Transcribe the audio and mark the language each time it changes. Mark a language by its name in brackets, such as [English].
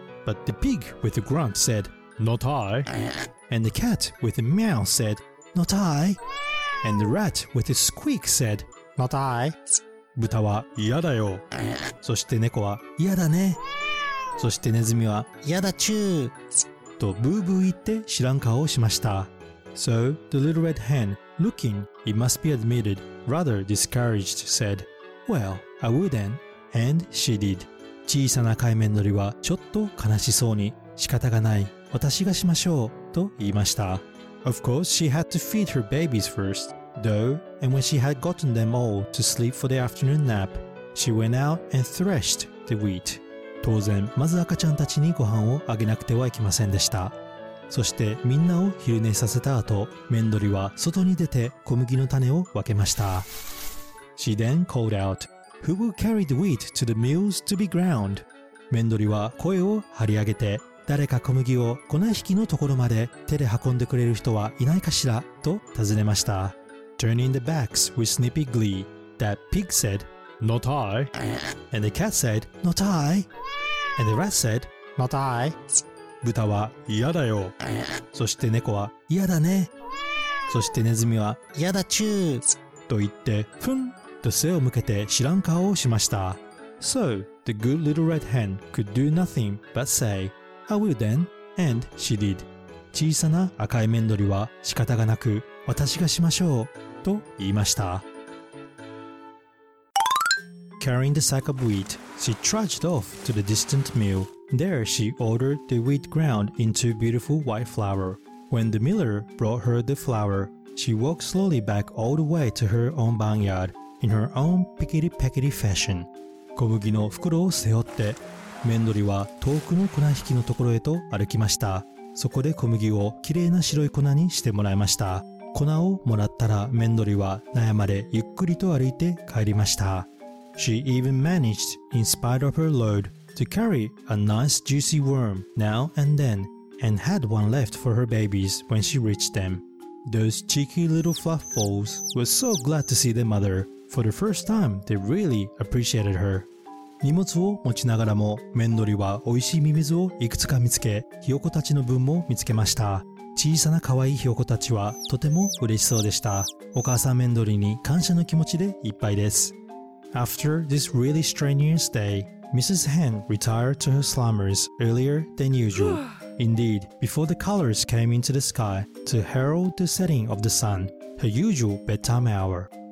[English] But the pig with a grunt said, Not I. And the cat with a meow said, Not I. And the rat with a squeak said, Not I. [Japanese] 豚は嫌だよ。そして猫は嫌だね。そしてネズミは嫌だチュー。とブーブー言って知らん顔をしました。 [English] So the little red hen, looking, it must be admitted, rather discouraged, said, Well, I will then. And she did. [Japanese] 小さな赤い面鳥はちょっと悲しそうに、仕方がない、私がしましょうと言いました。 [English] Of course, she had to feed her babies first. Though, and when she had gotten them all to sleep for the afternoon nap, she went out and threshed the wheat. [Japanese] 当然、まず赤ちゃんたちにご飯をあげなくてはいけませんでした。そして、みんなを昼寝させた後、メンドリは外に出て小麦の種を分けました。 [English] She then called out, Who will carry the wheat to the mills to be ground? [Japanese] メンドリは声を張り上げて、誰か小麦を粉引きのところまで手で運んでくれる人はいないかしら? と尋ねました。 [English] Turning the backs with snippy glee, that pig said, Not I. And the cat said, Not I. And the rat said, Not I. [Japanese] 豚は嫌だよ。そして猫は嫌だね。そしてネズミは嫌だチュー。と言って、ふんと背を向けて知らん顔をしました。 [English] So, the good little red hen could do nothing but say, I will then. And she did. [Japanese] 小さな赤い面鳥は仕方がなく、私がしましょうと言いました。 [English] Carrying the sack of wheat, she trudged off to the distant mill. There she ordered the wheat ground into beautiful white flour. When the miller brought her the flour, she walked slowly back all the way to her own barnyard in her own pickety-pecky fashion. [Japanese] 小麦の袋を背負って、麺鳥は遠くの粉引きのところへと歩きました。そこで小麦をきれいな白い粉にしてもらいました。粉をもらったら、メンドリは納屋までゆっくりと歩いて帰りました。 [English] She even managed, in spite of her load, to carry a nice juicy worm now and then, and had one left for her babies when she reached them. Those cheeky little fluff balls were so glad to see their mother. For the first time, they really appreciated her. [Japanese] 荷物を持ちながらも、メンドリは美味しいミミズをいくつか見つけ、ひよこたちの分も見つけました。小さな可愛いひよこたちはとても嬉しそうでした。お母さんメンドリに感謝の気持ちでいっぱいです。 [English] After this really strenuous day, Mrs. Hen retired to her slumbers earlier than usual. Indeed, before the colors came into the sky to herald the setting of the sun, her usual bedtime hour.